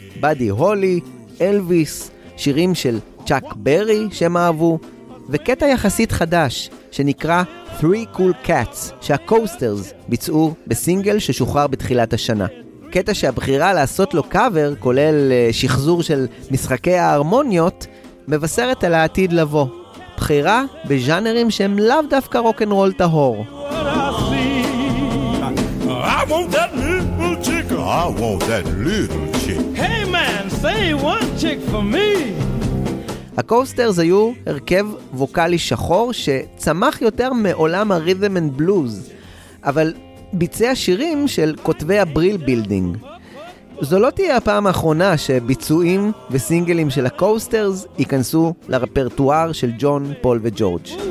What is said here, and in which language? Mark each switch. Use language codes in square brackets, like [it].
[he] בדי הולי, אלוויס, שירים של צ'אק ברי שהם אהבו, וקטע יחסית חדש שנקרא Three Cool Cats שהקוסטרס ביצעו בסינגל ששוחרר בתחילת השנה. קטע שהבחירה לעשות לו קאבר, כולל שחזור של משחקי ההרמוניות, מבשרת על העתיד לבוא. בחירה בז'אנרים שהם לאו דווקא רוק אנד רול טהור. [en] I want that little chick. I want that little chick. Hey man, say one chick for me. [he] הקוסטרס היו הרכב ווקלי שחור שצמח יותר מעולם הריתם אנד בלוז, אבל ביצע שירים של כותבי הבריל בילדינג. זו לא תהיה הפעם האחרונה שביצועים וסינגלים של הקוסטרס ייכנסו לרפרטואר של ג'ון, פול וג'ורג'.